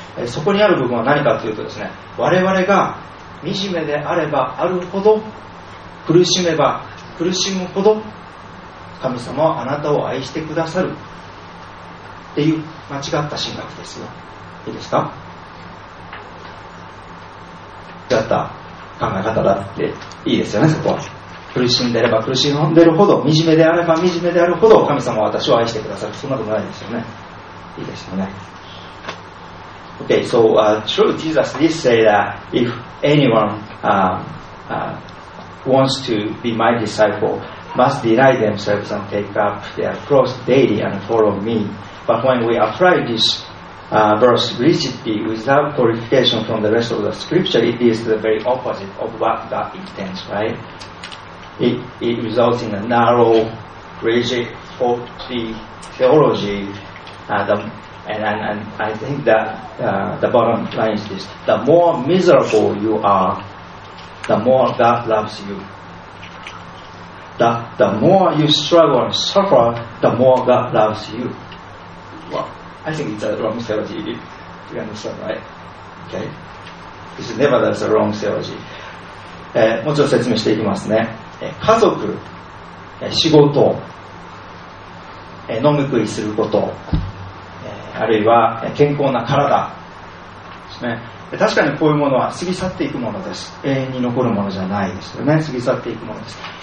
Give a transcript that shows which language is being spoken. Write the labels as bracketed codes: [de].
[ja] そこにある部分は何かというとですね、我々が惨めであればあるほど、苦しむほど神様はあなたを愛してくださるっていう間違った神学ですよ。いいですか、間違った考え方だっていいですよね。そこは苦しんでれば苦しんでるほど、惨めであれば惨めであるほど神様は私を愛してくださる、そんなことないですよね。いいですよね。 [en] OK, so、true Jesus did say that if anyoneWants to be my disciple must deny themselves and take up their cross daily and follow me. But when we apply this、verse rigidly without qualification from the rest of the scripture, it is the very opposite of what God intends, right? It results in a narrow, rigid, faulty theology. And I think that、the bottom line is this: the more miserable you are,the more God loves you. The more you struggle and suffer, the more God loves you. Well, I think it's a wrong theology. You understand, right? Okay. [ja] ですね。 [en] But that's a wrong theology。 [ja] もうちょっと説明していきますね。家族、仕事、飲み食いすること、あるいは健康な体ですね。確かにこういうものは過ぎ去っていくものです。永遠に残るものじゃないですよね。過ぎ去っていくものです。